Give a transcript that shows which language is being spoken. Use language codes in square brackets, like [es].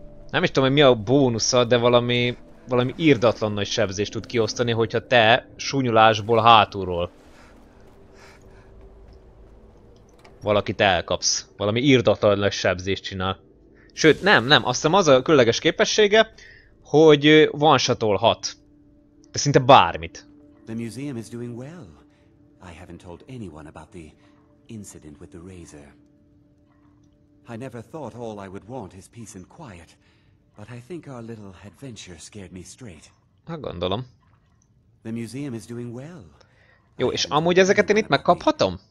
[hu] Nem is tudom, hogy mi a bónusza, de valami irdatlan nagy sebzést tud kiosztani, hogyha te sunyulásból hátulról valakit elkapsz. Valami irdatlan nagy sebzést csinál. Sőt, nem, azt hiszem az a különleges képessége, hogy one-shotolhat. De szinte bármit. [en] The museum is doing well. I haven't told anyone about the incident with the razor. I never thought all I would want is peace and quiet, but I think our little adventure scared me straight. [hu] Ha gondolom. [en] The museum is doing well. [hu] Jó, és amúgy ezeket én itt megkaphatom?